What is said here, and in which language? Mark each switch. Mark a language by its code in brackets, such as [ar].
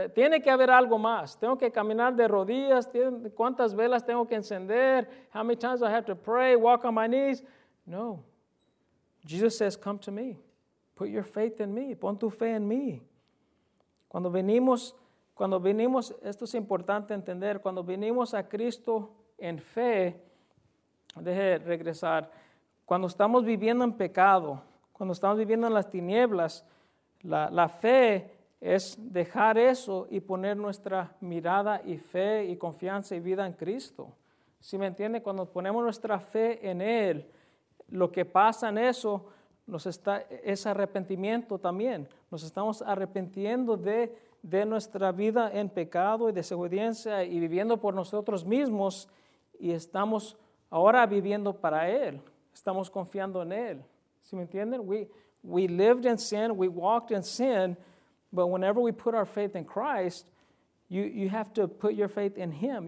[es] Tiene que haber algo más. Tengo que caminar de rodillas. ¿Cuántas velas tengo que encender? [en] How many times I have to pray, walk on my knees? No. Jesus says, come to me. Put your faith in me. [es] Pon tu fe en mí. Cuando venimos, esto es importante entender, cuando venimos a Cristo en fe, deje de regresar, cuando estamos viviendo en pecado, cuando estamos viviendo en las tinieblas, la fe es dejar eso y poner nuestra mirada y fe y confianza y vida en Cristo. ¿Sí me entiende? Cuando ponemos nuestra fe en Él, lo que pasa en eso es arrepentimiento también. Nos estamos arrepintiendo de nuestra vida en pecado y desobediencia y viviendo por nosotros mismos, y estamos ahora viviendo para Él. Estamos confiando en Él. ¿Sí me entienden? [en] We lived in sin, we walked in sin, but whenever we put our faith in Christ, you have to put your faith in Him.